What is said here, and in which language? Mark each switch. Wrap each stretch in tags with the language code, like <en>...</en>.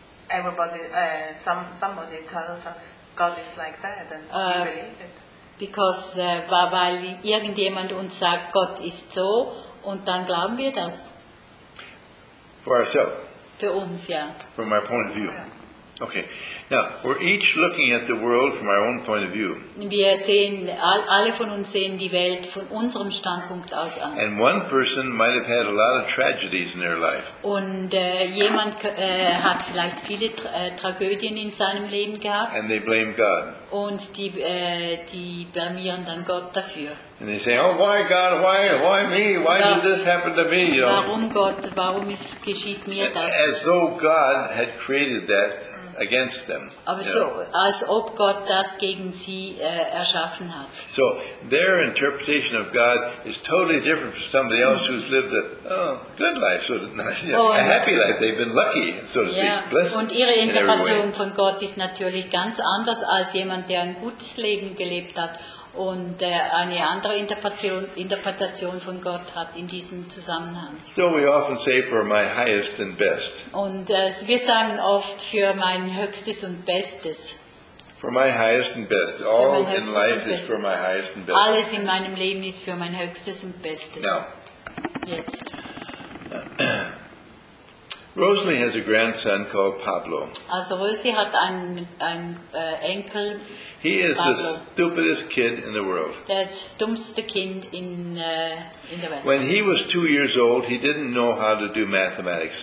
<en>Everybody, somebody tells us God is like that, and we believe it. Because</en> <de>weil irgendjemand uns sagt, Gott ist so, und dann glauben wir das.</de> <en>For ourselves.</en> <de>Für uns, ja.</de> <en>From our point of view. Okay. Now, we're each looking at the world from our own point of view.</en> <de>Wir sehen, alle von uns sehen die Welt von unserem Standpunkt aus an.</de> <en>And one person might have had a lot of tragedies in their life.</en> <de>Und jemand hat vielleicht viele Tragödien in seinem Leben gehabt.</de> <en>And they blame God.</en> <de>Und die blamieren dann Gott dafür.</de> <en>And they say, oh, why God, why me, why did this happen to me? You know?</en> <de>Warum Gott, warum geschieht mir das?</de> <en>As though God had created that against them.</en> <de>Aber so, als ob Gott das gegen sie erschaffen hat.</de> <en>So, their interpretation of God is totally different from somebody else who's lived a good life, so to speak. A happy life, they've been lucky, so to speak. Blessed.</en> <de>Und ihre Interpretation von Gott ist natürlich ganz anders als jemand, der ein gutes Leben gelebt hat. Und eine andere Interpretation von Gott hat in diesem Zusammenhang.</de> <en>So we often say for my highest and best.</en> <de>Und wir sagen oft für mein Höchstes und Bestes.</de> <en>For my highest and best. All in life is for my highest and best.</en> <de>Alles in meinem Leben ist für mein Höchstes und Bestes.</de> <en>Now.</en> <de>Jetzt.</de> <en>Rosalie has a grandson called Pablo.</en> <de>Also Rosalie hat einen Enkel.</de> <en>He is the stupidest kid in the world.</en> <de>Das dummste Kind in der Welt.</de> <en>When he was 2 years old, he didn't know how to do mathematics.</en>